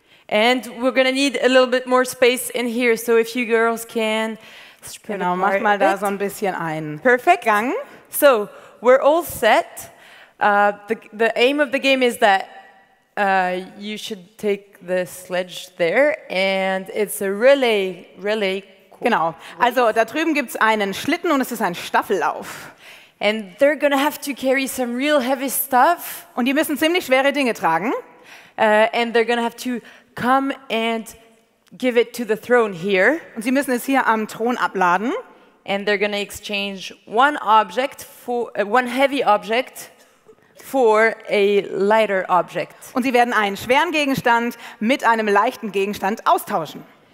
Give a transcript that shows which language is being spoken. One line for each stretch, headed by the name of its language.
English: And we're gonna need a little bit more space in here. So if you girls can,
German: genau, mach mal da so ein bisschen ein.
English: Perfect. Gang. So we're all set. The aim of the game is that you should take the sledge there, and it's a relay.
German: Genau. Also da drüben gibt's einen Schlitten und es ist ein Staffellauf.
English: And they're gonna have to carry some real heavy stuff.
German: Und die müssen ziemlich schwere Dinge tragen.
English: And they're gonna have to come and give it to the throne here.
German: Und sie müssen es hier am Thron abladen.
English: And they're gonna exchange one object for one heavy object. For a lighter object.
German: Und sie werden einen schweren Gegenstand mit einem leichten Gegenstand austauschen.